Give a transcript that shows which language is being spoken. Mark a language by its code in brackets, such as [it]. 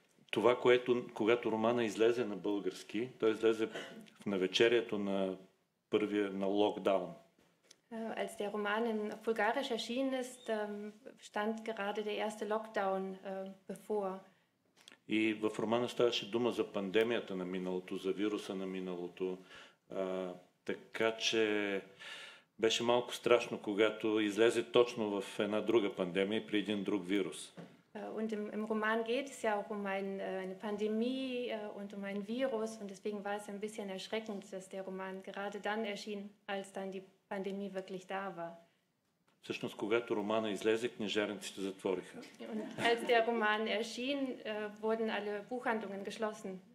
[bg] Това, което, когато романа излезе на български, той излезе в навечерието на първия на локдаун. [de] Als der Roman in Bulgarisch erschienen ist, stand gerade der erste Lockdown bevor. [bg] И в романа ставаше дума за пандемията на миналото, за вируса на миналото. Така че беше малко страшно, когато излезе точно в една друга пандемия при един друг вирус. [de] Und im Roman geht es ja auch um eine Pandemie und um ein Virus. Und deswegen war es ein bisschen erschreckend, dass der Roman gerade dann erschien, als dann die Pandemie wirklich da war. [bg] Всъщност, когато романа излезе, книжарниците затвориха. [de] Und als der Roman erschien, wurden alle Buchhandlungen geschlossen.